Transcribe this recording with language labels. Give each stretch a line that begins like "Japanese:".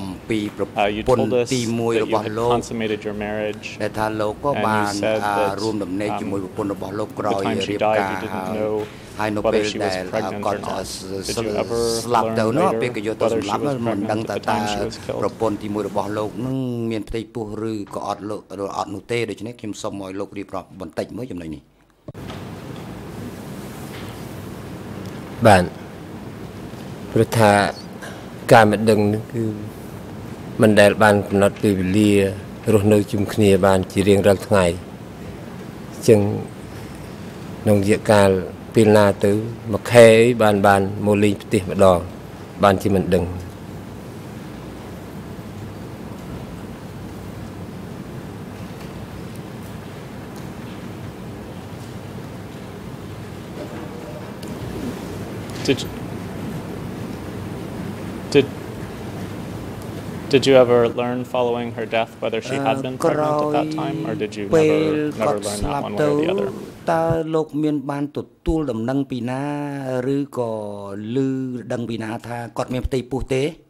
English: You told us that you had consummated your marriage, and you said that at the time she died, you didn't know whether she was pregnant or not. Did you ever learn later whether she was pregnant at the time she was killed?
Khmer: របស់លោកនឹងមានផ្ទៃពោះឬក៏អត់លោកឬអត់នោះទេដូច្នេះខ្ញុំសុំឲ្យលោករៀបរាប់បន្តិចមួយចំណុចនេះ បានព្រោះថាការមិនដឹងនេះគឺមិនដែលបានកំណត់ពីវេលារស់នៅជុំគ្នាបានជារៀងរាល់ថ្ងៃជាងក្នុងរយៈកាលពីណាទៅមកខែបានមកលេងផ្ទះម្ដងបានជាមិនដឹង
English: Did you ever learn following her death whether she had been pregnant at that time or did you never learn that one way or the other?
Khmer: តើលោកមានបានទទួលដំណឹងពីណាឬក៏ឮដឹងពីណាថាគាត់មានផ្ទៃពោះទេ?